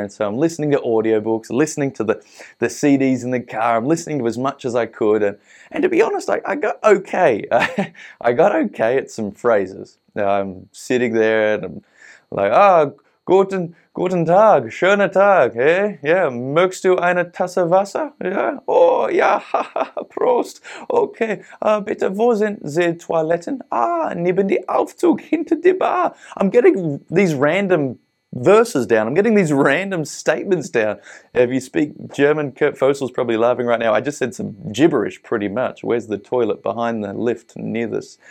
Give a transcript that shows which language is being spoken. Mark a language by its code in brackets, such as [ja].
[en] And so I'm listening to audiobooks, listening to the CDs in the car, I'm listening to as much as I could. And to be honest, I got okay. I got okay at some phrases. I'm sitting there and I'm like, oh, [de] Guten Tag, schöner Tag, [en] eh? [de] Yeah, mögst du eine Tasse Wasser? Yeah, oh, ja, Prost, okay. Bitte, wo sind die Toiletten? Ah, neben die Aufzug, hinter die Bar. [en] I'm getting these random verses down. I'm getting these random statements down. If you speak German, Kurt Fossil's probably laughing right now. I just said some gibberish pretty much. Where's the toilet behind the lift near this?